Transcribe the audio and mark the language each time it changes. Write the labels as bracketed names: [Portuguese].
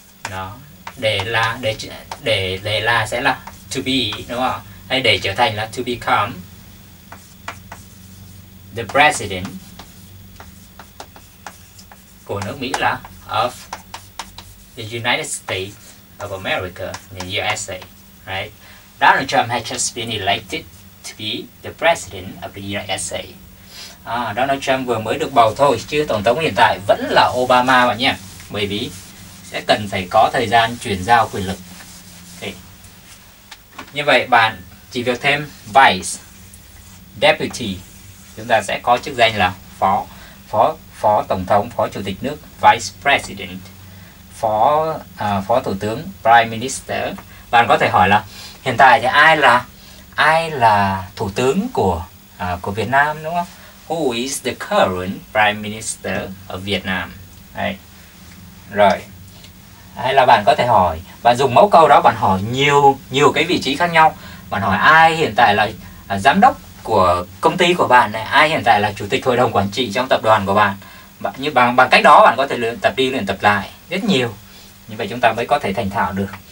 [Vietnamese] Đó, để là sẽ là to be, đúng không? Hay để trở thành là [English] to become the president [Vietnamese] của nước Mỹ là [English] of the United States of America, the USA, right? Donald Trump has just been elected to be the president of the USA. [Vietnamese] Donald Trump vừa mới được bầu thôi, chứ tổng thống hiện tại vẫn là Obama bạn nhé. Bởi vì sẽ cần phải có thời gian chuyển giao quyền lực. Okay. Như vậy bạn chỉ việc thêm vice, deputy, chúng ta sẽ có chức danh là phó tổng thống, phó chủ tịch nước, vice president, phó thủ tướng, prime minister. Bạn có thể hỏi là hiện tại thì ai là thủ tướng của Việt Nam, đúng không? [English] Who is the current prime minister of Vietnam? [Vietnamese] Rồi. Hay là bạn có thể hỏi, bạn dùng mẫu câu đó bạn hỏi nhiều cái vị trí khác nhau. Bạn hỏi ai hiện tại là giám đốc của công ty của bạn này, ai hiện tại là chủ tịch hội đồng quản trị trong tập đoàn của bạn. Như bằng cách đó bạn có thể luyện tập đi luyện tập lại rất nhiều. Như vậy chúng ta mới có thể thành thạo được.